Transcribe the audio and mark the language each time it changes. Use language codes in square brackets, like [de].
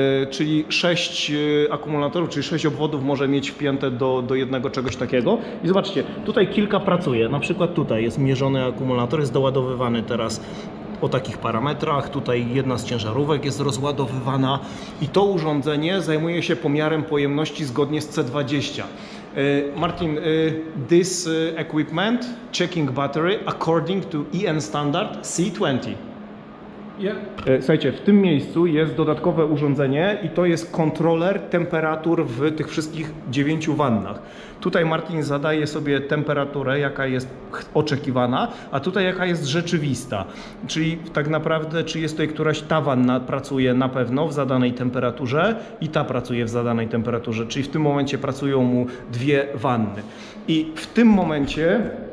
[pl] Czyli 6 akumulatorów, czyli 6 obwodów może mieć wpięte do jednego czegoś takiego. I zobaczcie, tutaj kilka pracuje. Na przykład tutaj jest mierzony akumulator, jest doładowywany teraz o takich parametrach. Tutaj jedna z ciężarówek jest rozładowywana i to urządzenie zajmuje się pomiarem pojemności zgodnie z C20. [en] Martin, this equipment checking battery according to EN standard C20. Yeah. [pl] Słuchajcie, w tym miejscu jest dodatkowe urządzenie i to jest kontroler temperatur w tych wszystkich 9 wannach. Tutaj Martin zadaje sobie temperaturę, jaka jest oczekiwana, a tutaj jaka jest rzeczywista. Czyli tak naprawdę, czy jest tutaj któraś ta wanna pracuje na pewno w zadanej temperaturze i ta pracuje w zadanej temperaturze. Czyli w tym momencie pracują mu dwie wanny. I w tym momencie